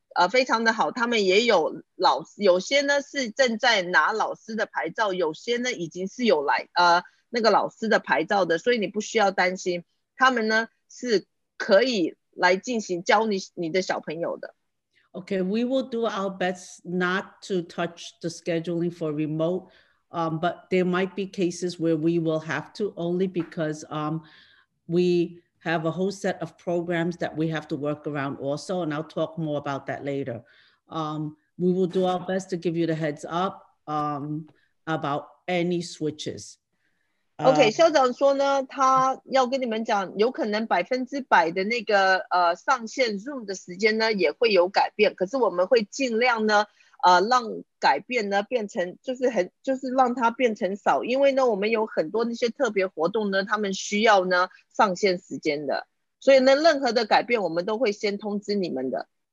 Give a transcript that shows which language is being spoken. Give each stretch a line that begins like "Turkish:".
Chinese: 非常的好，他们也有老师，有些呢是正在拿老师的牌照，有些呢已经是有来那个老师的牌照的，所以你不需要担心，他们呢是可以来进行教你的小朋友的。
English: Okay, we will do our best not to touch the scheduling for remote, but there might be cases where we will have to only because we have a whole set of programs that we have to work around also, and I'll talk more about that later. We will do our best to give you the heads up about any switches.
Chinese: OK，校长说呢，他要跟你们讲，有可能100%的那个上线 Zoom 的时间呢也会有改变，可是我们会尽量呢，让改变呢变成就是很就是让它变成少，因为呢我们有很多那些特别活动呢，他们需要呢上线时间的，所以呢任何的改变我们都会先通知你们的。